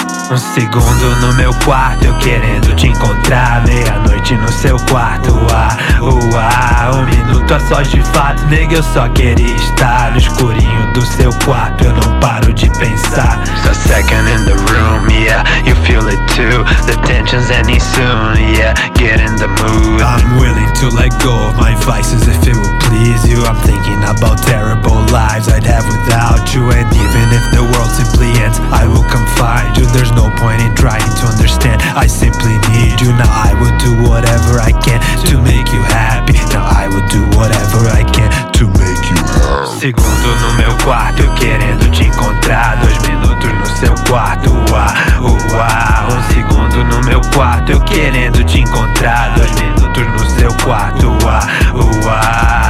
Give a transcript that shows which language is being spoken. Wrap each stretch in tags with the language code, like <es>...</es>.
<pt>Um segundo no meu quarto, eu querendo te encontrar. Meia-noite no seu quarto, ah, uah. Um minuto a sós de fato, nega, eu só queria estar no escurinho do seu quarto. Eu não paro de pensar.</pt> <en>A second in the room, yeah, you feel it too. The tension's ending soon, yeah, get in the mood. I'm willing to let go of my vices if it will please you. I'm thinking about terrible lives I'd have without you. And even if the world simply ends, I will come find you. There's no point in trying to understand, I simply need you. Now I will do whatever I can to make you happy. Now I will do whatever I can to make you happy.</en> <pt>Segundo no meu quarto, eu querendo te encontrar. Dois minutos no seu quarto, uah, uah. Um segundo no meu quarto, eu querendo te encontrar. Dois minutos no seu quarto, uah, uah.</pt>